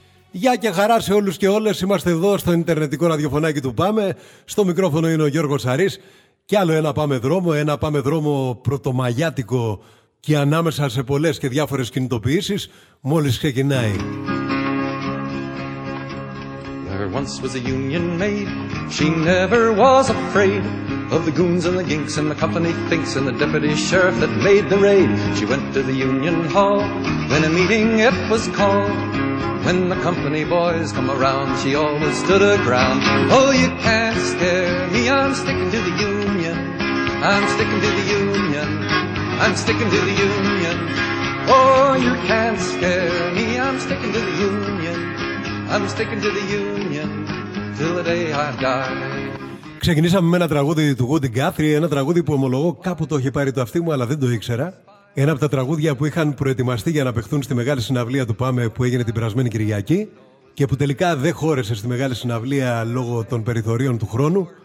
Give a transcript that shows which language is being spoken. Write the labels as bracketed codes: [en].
[el] Γεια και χαρά σε όλους και όλες. Είμαστε εδώ στο ιντερνετικό ραδιοφωνάκι του Πάμε. Στο μικρόφωνο είναι ο Γιώργος Σαρής. Και άλλο ένα Πάμε Δρόμο. Ένα Πάμε Δρόμο πρωτομαγιάτικο και ανάμεσα σε πολλές και διάφορες κινητοποιήσεις. Μόλις ξεκινάει. [en] Once was a union maid, she never was afraid of the goons and the ginks and the company thinks and the deputy sheriff that made the raid. She went to the union hall when a meeting it was called. When the company boys come around, she always stood her ground. Oh, you can't scare me, I'm sticking to the union. I'm sticking to the union. I'm sticking to the union. Oh, you can't scare me, I'm sticking to the union. I'm sticking to the union till the day I die. [el] Ξεκινήσαμε με ένα τραγούδι του Woody Guthrie, ένα τραγούδι που ομολογώ κάπου το είχε πάρει το αυτί μου, αλλά δεν το ήξερα. Ένα από τα τραγούδια που είχαν προετοιμαστεί για να παιχθούν στη μεγάλη συναυλία του Πάμε που έγινε την περασμένη Κυριακή και που τελικά δεν χώρεσε στη μεγάλη συναυλία λόγω των περιθωρίων του χρόνου.